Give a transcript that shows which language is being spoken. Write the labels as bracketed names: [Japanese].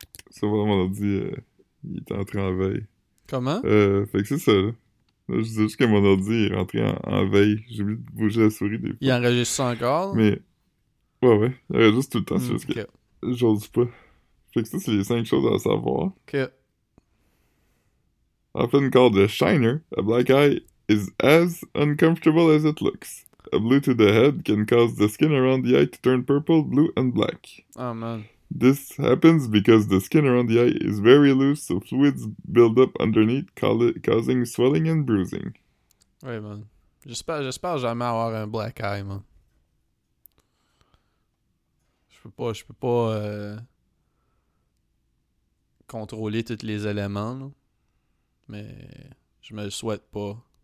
[French] Ça, vraiment, on a dit, il est entré en veille. Comment? Fait que c'est ça, là. Là, je disais juste que mon ordi est rentré en veille. J'ai oublié de bouger la souris des Il fois. enregistre ça encore? Mais, ouais. Il y avait juste tout le temps, c'est juste Ok. que j'ose pas. Fait que ça, c'est les cinq choses à savoir. Ok. [English] Often called a shiner, a black eye is as uncomfortable as it looks. A blue to the head can cause the skin around the eye to turn purple, blue, and black. Oh man. This happens because the skin around the eye is very loose, so fluids build up underneath, causing swelling and bruising. [French] Ouais, man. J'espère jamais avoir un black eye, man. Je peux pas contrôler tous les éléments, là. Mais je me le souhaite pas.